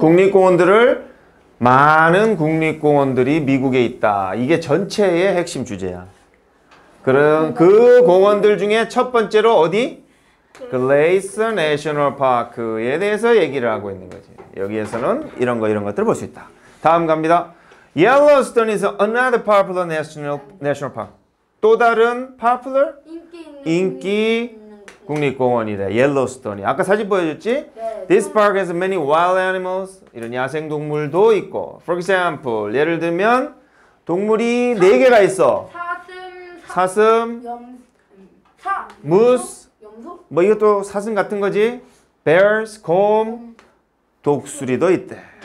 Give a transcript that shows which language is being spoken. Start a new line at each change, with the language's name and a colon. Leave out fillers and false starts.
Korean: 국립공원들을 많은 국립공원들이 미국에 있다. 이게 전체의 핵심 주제야. 그럼 그 공원들 중에 첫 번째로 어디? 글레이스 내셔널 파크에 대해서 얘기를 하고 있는 거지. 여기에서는 이런 거 이런 것들을 볼 수 있다. 다음 갑니다.
English: Yellowstone is another popular national park.
Korean: 또 다른 popular? 인기 국립공원이래. Yellowstone이. 아까 사진 보여줬지? 네.
English: This park has many wild animals.
Korean: 이런 야생동물도 있고.
English: For example,
Korean: 예를 들면 동물이 네 개가 있어. 사슴, 무스, 염소? 뭐 이것도 사슴 같은 거지? Bears, 곰, 독수리도 있대.